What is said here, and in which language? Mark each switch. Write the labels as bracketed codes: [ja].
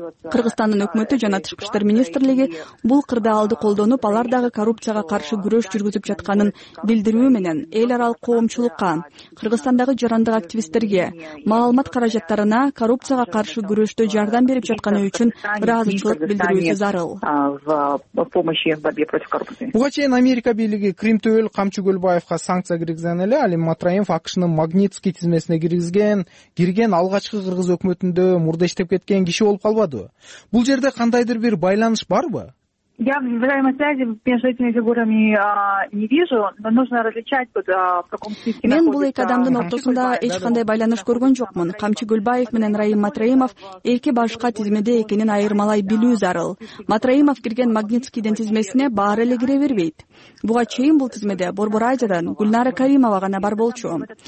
[ky] Кыргызстандын өкмөтү жана тышкы иштер министрлиги бул кырдаалды колдонуп, алар дагы коррупцияга каршы күрөш жүргүзүп жатканын билдирүү менен эл аралык коомчулукка, Кыргызстандагы жарандык активисттерге, маалымат каражаттарына коррупцияга каршы күрөштө жардам берип жатканы үчүн ыраазычылык билдирүүгө Буга чейин Америка бийлиги Крим Төөл Камчы Көлбаевга санкция киргизген эле, ал эми Матраимов АКШнын Магнитский тизмесине кирген алгачкы кыргыз өкмөтүндө мурда иштеп кеткен киши болуп калбадыбы? Бул жерде кандайдыр бир байланыш барбы? [ru] Я взаимной связи между этими фигурами не вижу, но нужно различать вот в каком смысле находится. [ky] Мен бул эки адамдын ортосунда эч кандай байланыш көргөн жокмун. Камчы Гүлбаев менен Раим Матраимов эки башка тизмеде экенин айырмалай билүү зарыл. Матраимов кирген Магнитскийдин тизмесине баары эле кире бербейт. Буга чейин бул тизмеде Борбор Айжадан Гүлнара Каримова гана бар болчу.